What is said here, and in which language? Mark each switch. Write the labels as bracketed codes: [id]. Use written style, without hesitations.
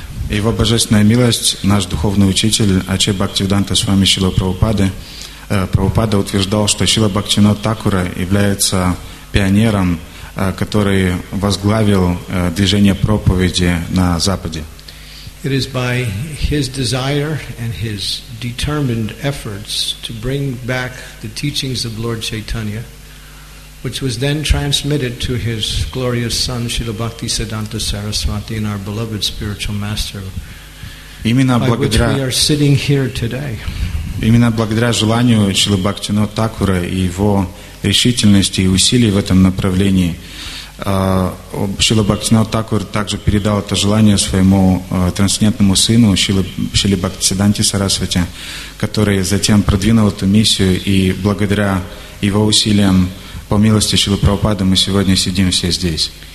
[ru] Его божественная милость, наш духовный учитель Аче Бхактивиданта Свами Шрила Прабхупады, Прабхупада утверждал, что Шрила Бхактивинода Такура является пионером, который возглавил движение проповеди на Западе. [en] It is by his desire and his determined efforts to bring back the teachings of Lord Chaitanya, which was then transmitted to his glorious son Srila Bhakti Siddhanta Saraswati and our beloved spiritual master, by which we are sitting here today. [ru] Именно благодаря желанию Шрилы Бхактивинода Такура и его решительности и усилий в этом направлении, Шрила Бхактивинода Такур также передал это желание своему трансцендентному сыну Шрила Бхактисиддханте Сарасвати, который затем продвинул эту миссию, и благодаря его усилиям, по милости Шрилы Прабхупады, мы сегодня сидим все здесь.